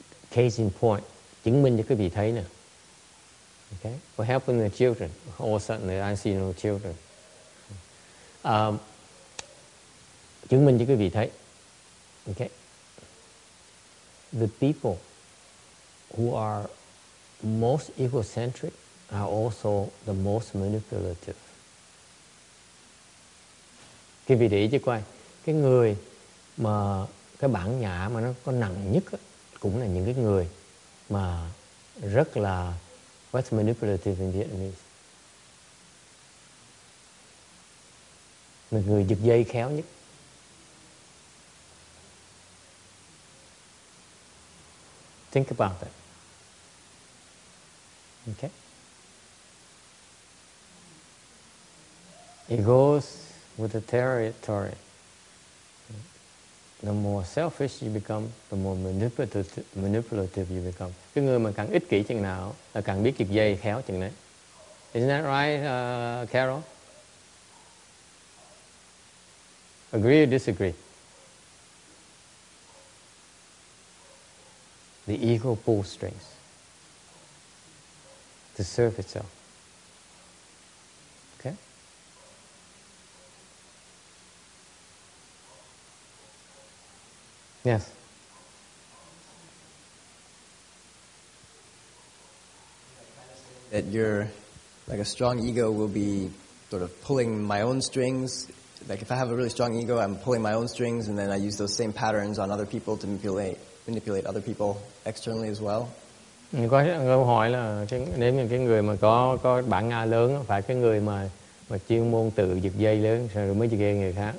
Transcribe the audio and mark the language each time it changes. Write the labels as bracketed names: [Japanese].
[English] Case in point, [Vietnamese] chứng minh cho quý vị thấy nè. [English] Okay, what happened to the children? All of a sudden, I see no children. [Vietnamese] Chứng minh cho quý vị thấy. [English] Okay. The people who are most egocentric are also the most manipulative. [Vietnamese] Quý vị để ý cho coi, cái người mà cái bản ngã mà nó có nặng nhất á, cũng là những cái người mà rất là [English] what's manipulative in Vietnamese? [Vietnamese] Người giật dây khéo nhất. [English] Think about that. Okay? It goes with the territory. The more selfish you become, the more manipulative you become. [Vietnamese] Cái người mà càng ích kỷ chừng nào là càng biết giật dây khéo chừng đấy. [English] Isn't that right, Carol? Agree or disagree? The ego pulls strings to serve itself. Okay? Yes. That you're like a strong ego will be sort of pulling my own strings. Like if I have a really strong ego, I'm pulling my own strings, and then I use those same patterns on other people to manipulate other people externally as well. [Vietnamese] Câu hỏi là nếu như cái người mà có bản ngã lớn phải cái người mà chuyên môn tự giật dây lớn rồi mới giật dây người khác.